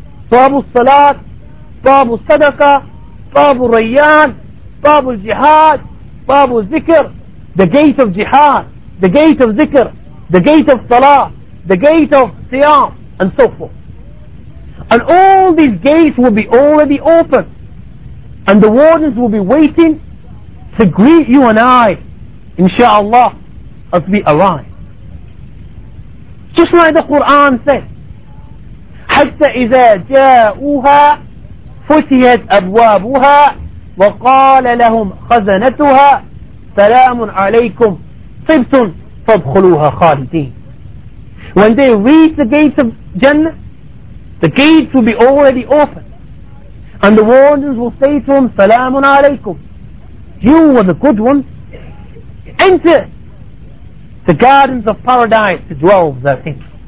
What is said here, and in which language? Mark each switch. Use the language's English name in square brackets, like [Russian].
[English] Babu Salat, Babu Sadaqah, Babu Rayyan, Babu Jihad, Babu Zikr, the gate of Jihad, the gate of Zikr, the gate of Salat, the gate of Siyam, and so forth. And all these gates will be already open, and the wardens will be waiting to greet you and I, inshallah, as we arrive. Just like the Quran says, [Arabic] حَتَّى إِذَا جَاءُوهَا فُتِحَتْ أَبْوَابُهَا وَقَالَ لَهُمْ خَزَنَتُهَا سَلَامٌ عَلَيْكُمْ طِبْتُمْ فَادْخُلُوهَا خَالِدِينَ. [English] When they reach the gates of Jannah, the gates will be already open, and the wardens will say to them, Salamun alaykum, you were the good ones. Enter the gardens of paradise to dwell therein.